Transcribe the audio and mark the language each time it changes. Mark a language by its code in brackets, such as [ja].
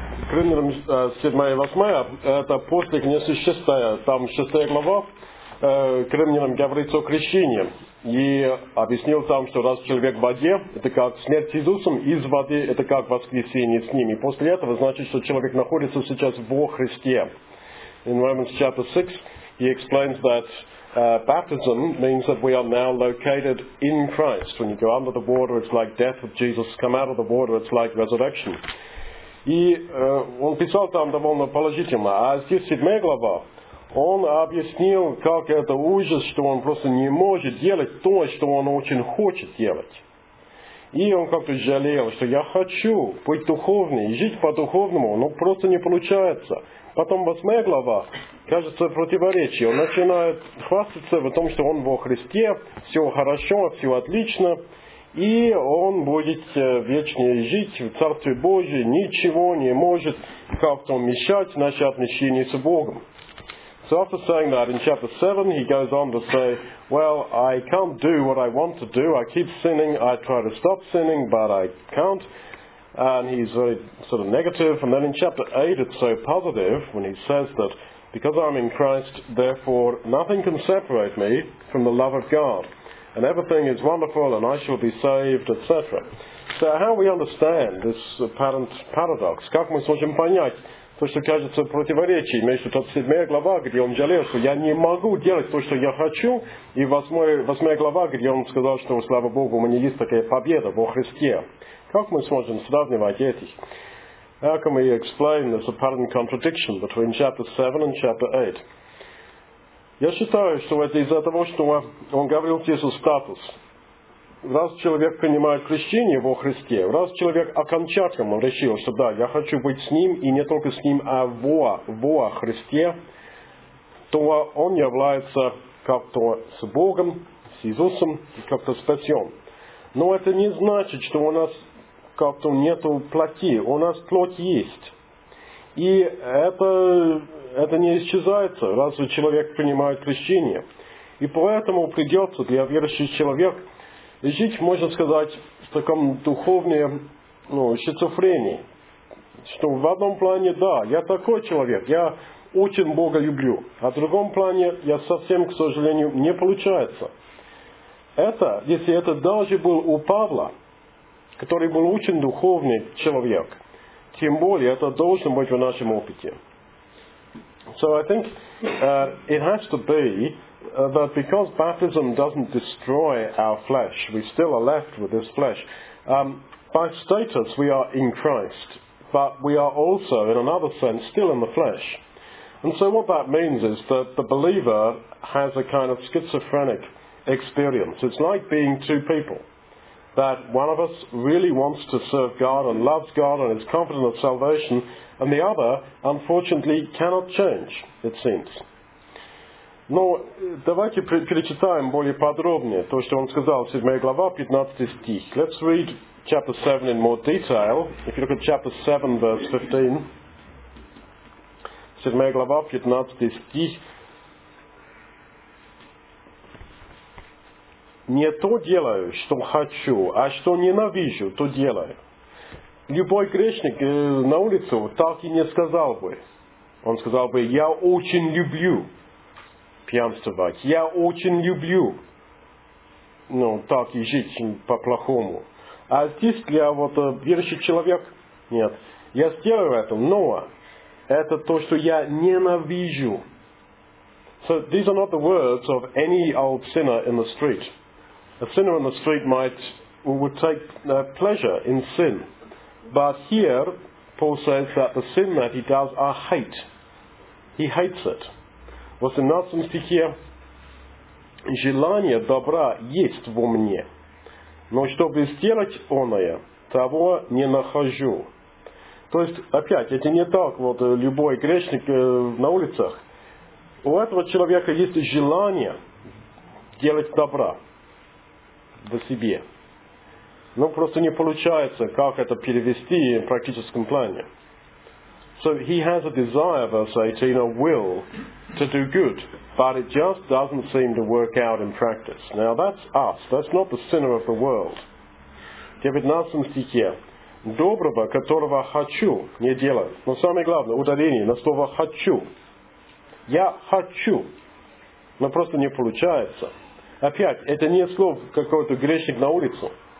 [ru] примерам 7 и 8, это после князя 6, там 6 глава, к римлянам говорится о крещении. И объяснил там, что раз человек в воде, это как смерть с Иисусом, из воды это как воскресение с ним. И после этого значит, что человек находится сейчас во Христе. [en] In Romans chapter 6, he explains that baptism means that we are now located in Christ. When you go under the water, it's like death of Jesus. Come out of the water, it's like resurrection. [ru] И он писал там довольно положительно. А здесь 7 глава. Он объяснил, как это ужас, что он просто не может делать то, что он очень хочет делать. И он как-то жалел, что я хочу быть духовным, жить по-духовному, но просто не получается. Потом 8 глава, кажется, противоречие. Он начинает хвастаться в том, что он во Христе, все хорошо, все отлично. И он будет вечно жить в Царстве Божьем, ничего не может как-то мешать наши отношения с Богом. [en] So after saying that, in chapter 7, he goes on to say, well, I can't do what I want to do. I keep sinning. I try to stop sinning, but I can't. And he's very sort of negative. And then in chapter 8, it's so positive when he says that, because I'm in Christ, therefore nothing can separate me from the love of God. And everything is wonderful, and I shall be saved, etc. So how we understand this apparent paradox? [ru] Как мы сможем понять? То, что кажется противоречием между тот 7 глава, где он жалел, что я не могу делать то, что я хочу, и 8 глава, где он сказал, что, слава Богу, у меня есть такая победа во Христе. Как мы сможем сравнивать этих? [en] How can we explain this apparent contradiction between chapter 7 and chapter 8? [ru] Я считаю, что это из-за того, что он говорил Иисусу статус. Раз человек принимает крещение во Христе, раз человек окончательно решил, что да, я хочу быть с Ним, и не только с Ним, а во Христе, то он является как-то с Богом, с Иисусом, как-то спасен. Но это не значит, что у нас как-то нету плоти. У нас плоть есть. И это не исчезается, разве человек принимает крещение. И поэтому придется для верующего человека и жить, можно сказать, в таком духовной шизофрении. Что в одном плане, да, я такой человек, я очень Бога люблю. А в другом плане, я совсем, к сожалению, не получается. Это, если это даже был у Павла, который был очень духовный человек, тем более это должно быть в нашем опыте. [en] So I think it has to be that because baptism doesn't destroy our flesh, we still are left with this flesh. By status, we are in Christ, but we are also, in another sense, still in the flesh. And so what that means is that the believer has a kind of schizophrenic experience. It's like being two people, that one of us really wants to serve God and loves God and is confident of salvation, and the other, unfortunately, cannot change, it seems. [ru] Но давайте перечитаем более подробнее то, что он сказал, 7 глава, 15 стих. [en] Let's read chapter 7 in more detail. If you look at chapter 7, verse 15. [ru] 7 глава, 15 стих. Не то делаю, что хочу, а что ненавижу, то делаю. Любой грешник на улицу так и не сказал бы. Он сказал бы, я очень люблю пьянствовать. Я очень люблю так и жить по-плохому. А здесь для верующий человек, нет, я сделаю это, но это то, что я ненавижу. [en] So these are not the words of any old sinner in the street. A sinner in the street would take pleasure in sin. But here Paul says that the sin that he does are hate. He hates it. [ru] В 18 стихе желание добра есть во мне, но чтобы сделать оное, того не нахожу. То есть, опять, это не так, любой грешник на улицах. У этого человека есть желание делать добра во себе. Но просто не получается, как это перевести в практическом плане. [en] So he has a desire, verse 18, a will to do good, but it just doesn't seem to work out in practice. Now that's us. That's not the sinner of the world. [ru] 19 стихе. доброго, которого хочу, не делаю. Но самое главное, ударение на слово «хочу». Я хочу, но просто не получается. Опять, это не слово какой-то грешник на улицу.